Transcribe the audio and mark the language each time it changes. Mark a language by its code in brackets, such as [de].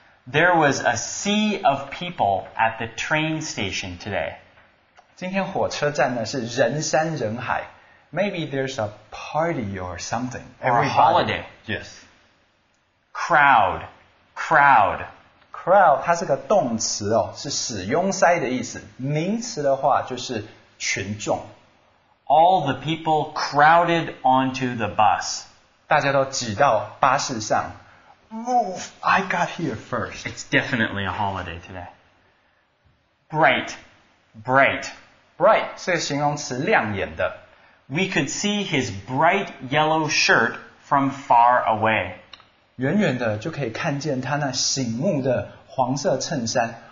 [en] There was a sea of people at the train station today. [zh] 今天火车站呢是人山人海。 [en] Maybe there's a party or something. Or a holiday. Yes. Crowd, crowd. [zh] Crowd 它是个动词哦，是使拥塞的意思。名词的话就是群众。 [en] All the people crowded onto the bus. [zh] 大家都挤到巴士上。 [en] Move, I got here first. It's definitely a holiday today. Bright, bright. [zh] Bright 是个形容词亮眼的。 [en] We could see his bright yellow shirt from far away. [zh] 远远的就可以看见他那醒目的黄色衬衫。